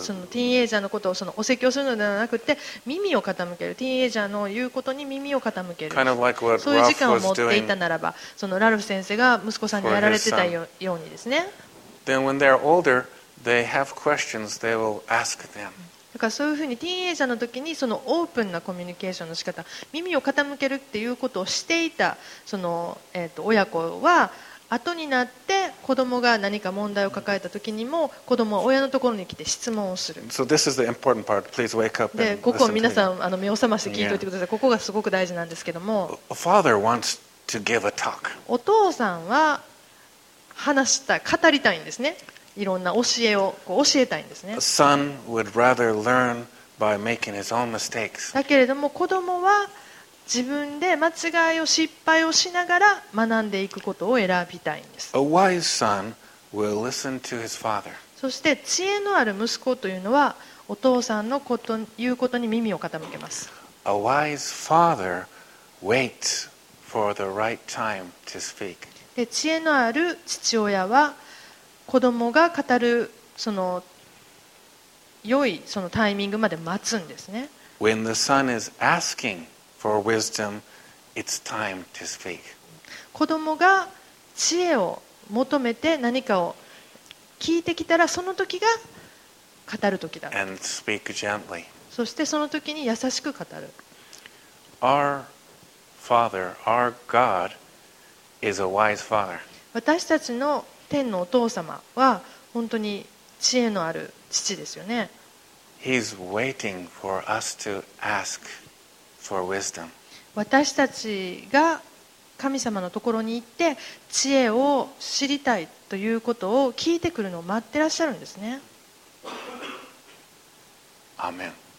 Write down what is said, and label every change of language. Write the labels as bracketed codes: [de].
[ja] そのティーンエイジャーのことをそのお説教するのではなくて耳を傾ける、ティーンエイジャーの言うことに耳を傾ける、 [en] kind of like、what [ja] そういう時間を持っていたならば、そのラルフ先生が息子さんにやられてたようにですね。 [en] Then when they're older, they have questions they will ask them. [ja] だからそういうふうにティーンエイジャーの時にそのオープンなコミュニケーションの仕方、耳を傾けるっていうことをしていたその、親子は後になって子供が何か問題を抱えた時にも子供は親のところに来て質問をする。 [en] So this is the important part. Please wake up. [ja] で、ここを皆さん目を覚まして聞いておいてください。ここがすごく大事なんですけども。 [en] Father wants to give a talk. [ja] お父さんは話したい、語りたいんですね。いろんな教えをこう教えたいんですね。 [en] A son would rather learn by making his own mistakes. [ja] だけれども子供は自分で間違いを失敗をしながら学んでいくことを選びたいんです。 [en] A wise son will listen to his father. [ja] そして知恵のある息子というのはお父さんのこと言うことに耳を傾けます。 [en] A wise father waits for the right time to speak. [ja] で、知恵のある父親は子供が語るその良いそのタイミングまで待つんですね。 [en] When the son is asking for wisdom, it's time to speak. [ja] 子供が知恵を求めて何かを聞いてきたらその時が語る時だ。 [en] And speak gently. [ja] そしてその時に優しく語る。 [en] Our Father, our God, is a wise Father. [ja] 私たちの天のお父様は本当に知恵のある父ですよね。 [en] He's waiting for us to ask for wisdom. [ja] 私たちが神様のところに行って知恵を知りたいということを聞いてくるのを待ってらっしゃるんですね。アーメン。